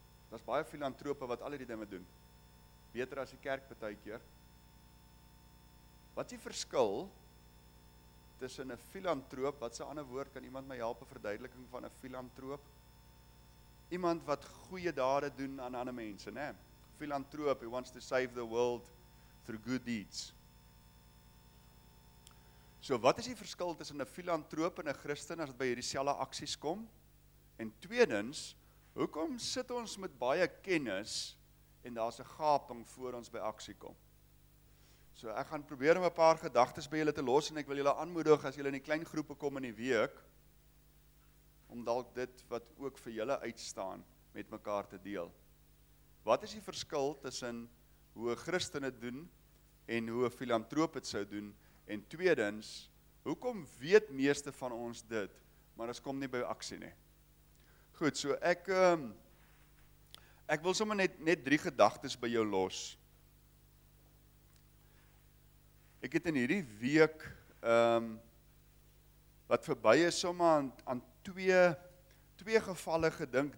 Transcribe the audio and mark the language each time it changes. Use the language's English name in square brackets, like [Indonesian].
[Afrikaans] Daar's baie filantrope wat al hierdie dinge doen. Beter as die kerk partykeer. Wat is die verskil tussen 'n filantroop, wat 'n ander woord kan iemand my help 'n verduideliking van 'n filantroop? Iemand wat goeie dade doen aan ander mense, né? [English] Filantroop, he wants to save the world through good deeds. [Afrikaans] So wat is die verskil tussen 'n filantroop en 'n Christen as dit by hierdie selfde aksies kom? En tweedens, hoekom sit ons met baie kennis en daar's 'n gaping voor ons by aksie kom? So ek gaan probeer om 'n paar gedagtes by julle te los en ek wil julle aanmoedig as julle in die klein groepe kom in die week om dalk dit wat ook vir julle uitstaan met mekaar te deel. Wat is die verskil tussen hoe 'n Christen dit doen en hoe 'n filantroop dit sou doen? En tweedens, hoekom weet meeste van ons dit, maar ons kom nie by aksie nie? Goed, so ek wil sommer net drie gedagtes by jou los. Ek het in hierdie week wat verby is sommer aan twee gevalle gedink.